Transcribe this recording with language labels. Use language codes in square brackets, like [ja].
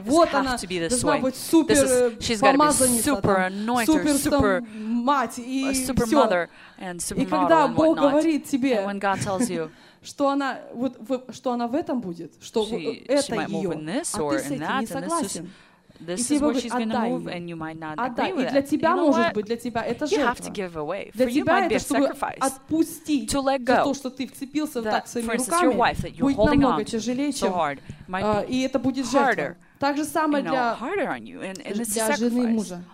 [ru] Вот она должна быть супер помазанница, супер мать и всё. И когда Бог говорит тебе, что она в этом будет, что это её, а ты с этим не согласен, [en] this is what she's going to move, and you might not agree with it. [ru] И для тебя может быть, для тебя это жертва. [en] You have to give away. For you might be a sacrifice. [ru] Отпустить [en] to let go. [ru] За то, что ты вцепился так своими руками. [en] For instance, your wife that you're holding on to so hard might be harder. [ru] Так же самое для жены и мужа.